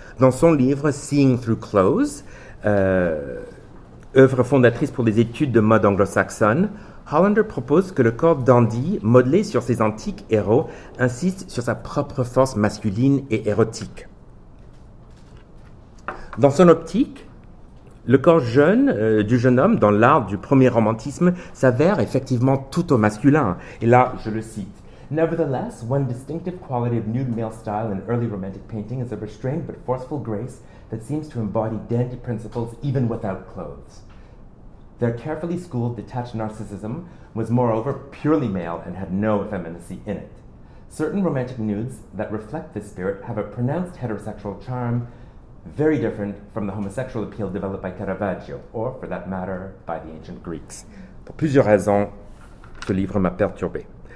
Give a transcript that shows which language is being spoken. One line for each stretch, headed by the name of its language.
French: Dans son livre « Seeing Through Clothes », œuvre fondatrice pour les études de mode anglo-saxonne, Hollander propose que le corps dandy, modelé sur ses antiques héros, insiste sur sa propre force masculine et érotique. Dans son optique, le corps jeune du jeune homme, dans l'art du premier romantisme, s'avère effectivement tout au masculin. Et là, je le cite.
English: Nevertheless, one distinctive quality of nude male style in early romantic painting is a restrained but forceful grace that seems to embody dandy principles even without clothes. Their carefully schooled detached narcissism was moreover purely male and had no effeminacy in it. Certain romantic nudes that reflect this spirit have a pronounced heterosexual charm, very different from the homosexual appeal developed by Caravaggio, or for that matter, by the ancient Greeks.
French: Pour plusieurs raisons, ce livre m'a perturbé.